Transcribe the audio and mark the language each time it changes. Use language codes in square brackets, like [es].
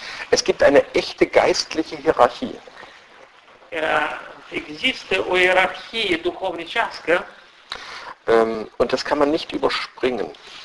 [de] Es gibt eine echte geistliche Hierarchie. [ro] Există o ierarhie duhovnicească. [de] Und das kann man nicht überspringen.